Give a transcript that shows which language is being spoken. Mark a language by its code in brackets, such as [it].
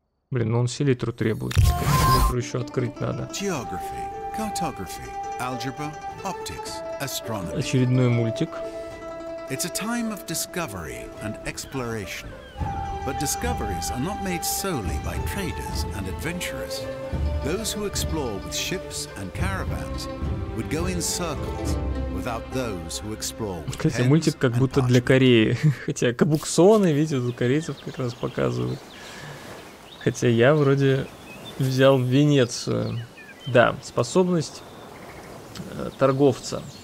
[ru] Блин, ну он селитру требует. Селитру еще открыть надо. Очередной мультик. Это время открытия и эксплуатации. [en] But discoveries are not made solely by traders and adventurers. Those who explore with ships and caravans would go in circles without those who explore with pens. [ru] Кстати, мультик как будто для Кореи. Хотя кабуксоны, видите, у корейцев как раз показывают. Хотя я вроде взял Венецию. Да, способность торговца.